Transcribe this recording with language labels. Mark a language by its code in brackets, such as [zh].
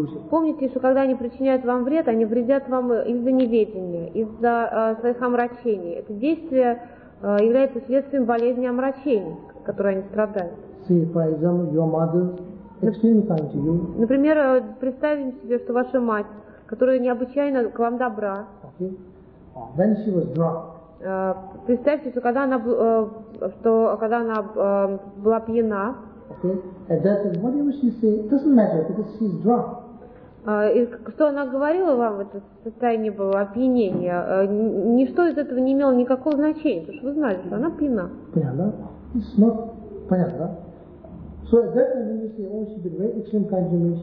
[ru] Помните, что когда они причиняют вам вред, они вредят вам из-за неведения, из-за своих омрачений. Это действие является следствием болезни омрачений, которой они страдают. [en] See, for example, your mother extremely kind to you. [ru] Например, представим себе, что ваша мать, которая необычайно к вам добра, [en] okay. When she was drunk. [ru] Представьте, что когда она, была пьяна. [en] Okay. And that, what did she say? It doesn't matter because she's drunk. [ru] И что она говорила вам в этом состоянии было опьянения? Ничто из этого не имело никакого значения, потому что вы знали, что она пьяна. Понятно? [en] It's not [ru] понятно. Да? [en] So at that time, when you say, oh, she's been very extreme kind to me.